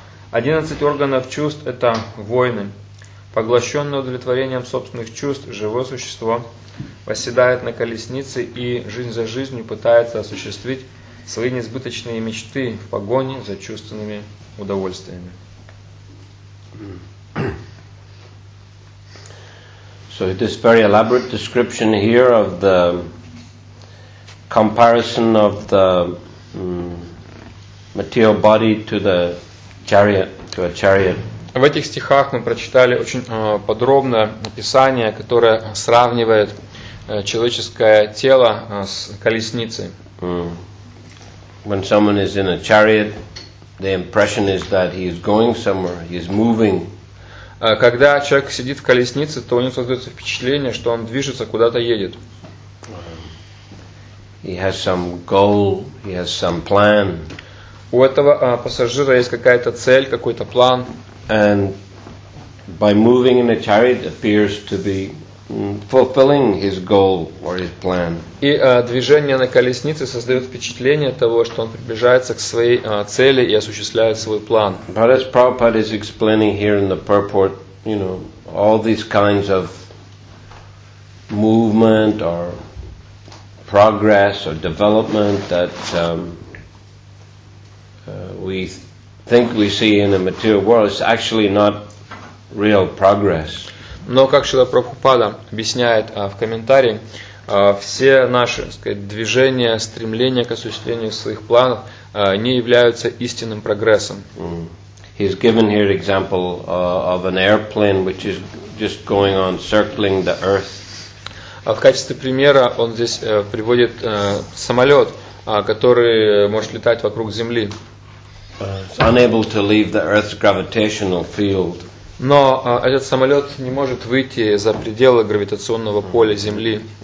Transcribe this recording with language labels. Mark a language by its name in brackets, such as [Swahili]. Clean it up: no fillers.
[Russian] 11 органов чувств – это войны. Поглощенное удовлетворением собственных чувств, живое существо восседает на колеснице и жизнь за жизнью пытается осуществить свои несбыточные мечты в погоне за чувственными удовольствиями. [English] So this very elaborate description here of the comparison of the material body to the chariot, to a chariot. [Russian] В этих стихах мы прочитали очень подробное описание, которое сравнивает человеческое тело с колесницей. [English] When someone is in a chariot, the impression is that he is going somewhere, he is moving. [Russian] Когда человек сидит в колеснице, то у него создается впечатление, что он движется, куда-то едет. [English] He has some goal, he has some plan. [Russian] У этого пассажира есть какая-то цель, какой-то план. [English] And by moving in a chariot appears to be fulfilling his goal or his plan. [Russian] И движение на колеснице создает впечатление того, что он приближается к своей цели и осуществляет свой план. [English] But as Prabhupada is explaining here in the purport, you know, all these kinds of movement or progress or development that we think we see in the material world is actually not real progress. [Russian] Но как Шрила Прабхупада объясняет в комментарии, все наши, так сказать, движения, стремления к осуществлению своих планов не являются истинным прогрессом. [English] He's given here an example of an airplane which is just going on circling the earth. [Russian] В качестве примера он здесь приводит самолет, который может летать вокруг Земли. [English] unable to leave the Earth's gravitational field. [Russian] Но этот самолет не может выйти за пределы гравитационного поля Земли.